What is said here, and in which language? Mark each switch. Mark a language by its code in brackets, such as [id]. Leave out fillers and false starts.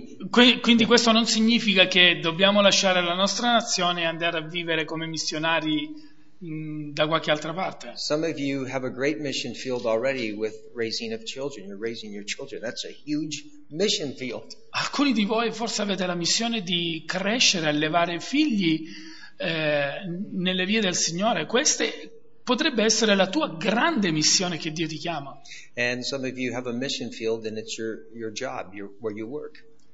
[it] Quindi questo non significa che dobbiamo lasciare la nostra nazione e andare a vivere come missionari da qualche altra parte. [en] Some of you have a great mission field already with raising of children. You're raising your children. That's a huge mission field. [it] Alcuni di voi forse avete la missione di crescere, allevare figli nelle vie del Signore. Questa potrebbe essere la tua grande missione che Dio ti chiama. [en] And some of you have a mission field and it's your job, where you work.